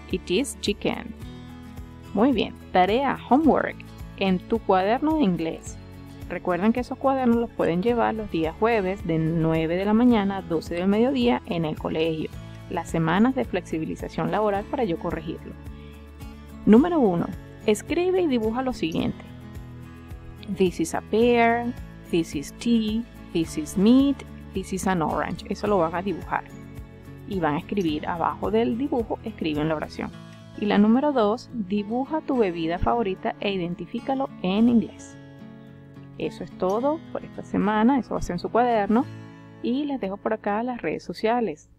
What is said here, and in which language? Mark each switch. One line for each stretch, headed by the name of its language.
English: It is chicken.
Spanish: Muy bien. Tarea, homework, en tu cuaderno de inglés. Recuerden que esos cuadernos los pueden llevar los días jueves de 9 de la mañana a 12 del mediodía en el colegio. Las semanas de flexibilización laboral para yo corregirlo. Número 1. Escribe y dibuja lo siguiente.
English: This is a pear, this is tea, this is meat, this is an orange.
Spanish: Eso lo van a dibujar. Y van a escribir abajo del dibujo, escriben la oración. Y la número 2, dibuja tu bebida favorita e identifícalo en inglés. Eso es todo por esta semana, eso va a ser en su cuaderno. Y les dejo por acá las redes sociales.